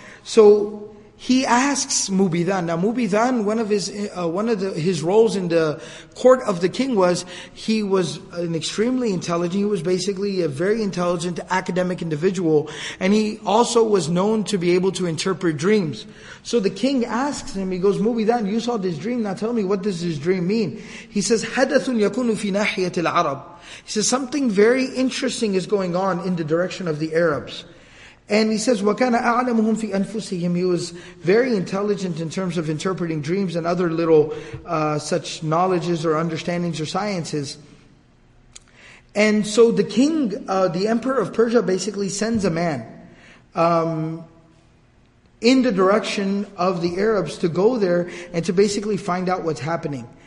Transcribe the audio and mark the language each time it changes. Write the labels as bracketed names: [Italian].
[English] So he asks Mubidan. Now Mubidan, one of his roles in the court of the king was, he was an extremely intelligent, he was basically a very intelligent academic individual, and he also was known to be able to interpret dreams. So the king asks him, he goes, "Mubidan, you saw this dream, now tell me, what does this dream mean?" He says, [Arabic] "Hadathun yakunu fi nahiyatil Arab." [English] He says, "Something very interesting is going on in the direction of the Arabs." And he says, [Arabic] "وَكَانَ أَعْلَمُهُمْ فِي أَنفُسِهِمْ." [English] He was very intelligent in terms of interpreting dreams and other little such knowledges or understandings or sciences. And so the king, the emperor of Persia, basically sends a man in the direction of the Arabs to go there and to basically find out what's happening.